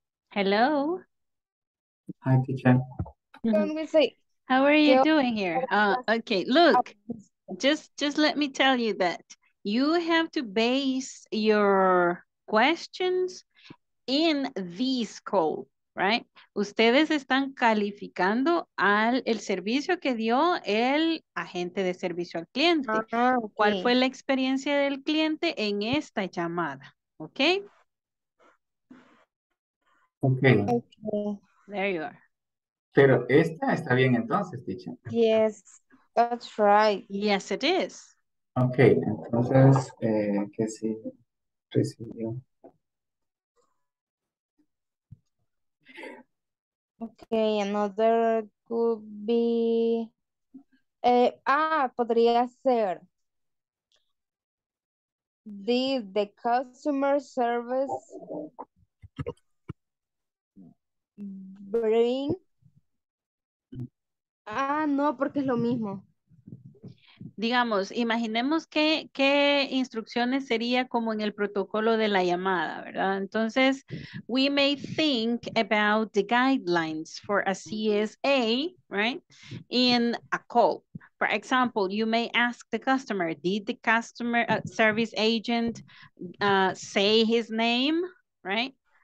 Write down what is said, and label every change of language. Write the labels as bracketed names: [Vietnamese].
[English] Hello. Hi teacher. Can we say how are you doing here? Okay, look. Just let me tell you that you have to base your questions in this call. Right? [Spanish] Ustedes están calificando al el servicio que dio el agente de servicio al cliente. [English] Ah, okay. [Spanish] ¿Cuál fue la experiencia del cliente en esta llamada? [English] ¿Ok? Ok. There you are. [Spanish] Pero esta está bien entonces, teacher. [English] Yes, that's right. Yes, it is. [Spanish] Ok, entonces, ¿qué sí recibió? [English] Okay, another could be, [Spanish] podría ser, [English] did the customer service bring, no, [Spanish] porque es lo mismo. Digamos, imaginemos qué instrucciones sería como en el protocolo de la llamada, ¿verdad? [English] Entonces, we may think about the guidelines for a CSA, right? In a call. For example, you may ask the customer, did the customer service agent say his name, right?